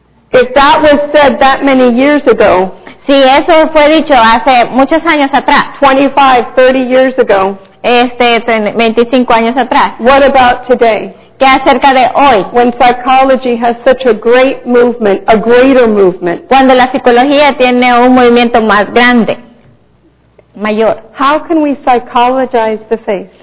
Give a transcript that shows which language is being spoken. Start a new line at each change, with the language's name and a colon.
English: If that was said that many years ago.
Spanish: Sí, eso fue dicho hace muchos años atrás.
English: 25, 30 years ago.
Spanish: 25 años atrás.
English: What about today?
Spanish: ¿Qué acerca de hoy?
English: When psychology has such a great movement, a greater movement.
Spanish: Cuando la psicología tiene un movimiento más grande, mayor.
English: How can we psychologize the faith?